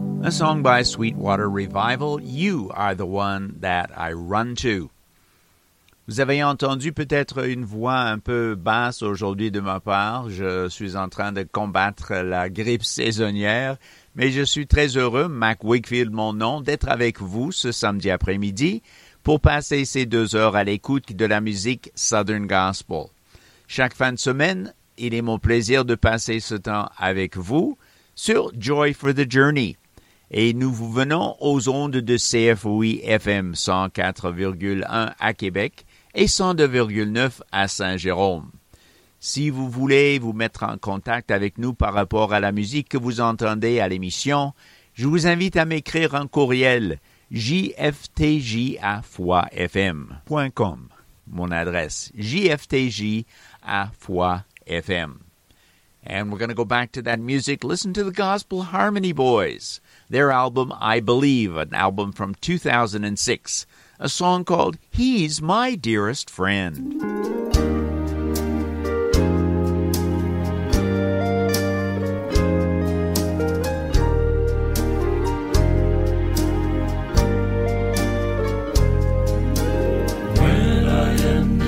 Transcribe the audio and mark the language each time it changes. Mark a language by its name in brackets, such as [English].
[English] Song by Sweetwater Revival, You Are the One That I Run To. [French] Vous avez entendu peut-être une voix un peu basse aujourd'hui de ma part. Je suis en train de combattre la grippe saisonnière, mais je suis très heureux, Mac Wakefield, mon nom, d'être avec vous ce samedi après-midi pour passer ces deux heures à l'écoute de la musique Southern Gospel. Chaque fin de semaine, il est mon plaisir de passer ce temps avec vous sur Joy for the Journey. Et nous vous venons aux ondes de CFOI FM 104,1 à Québec et 102,9 à Saint-Jérôme. Si vous voulez vous mettre en contact avec nous par rapport à la musique que vous entendez à l'émission, je vous invite à m'écrire un courriel jftj@foisfm.com. Mon adresse, jftj@foisfm. [English] And we're going to go back to that music. Listen to the Gospel Harmony Boys. Their album, I Believe, an album from 2006, a song called He's My Dearest Friend. When I am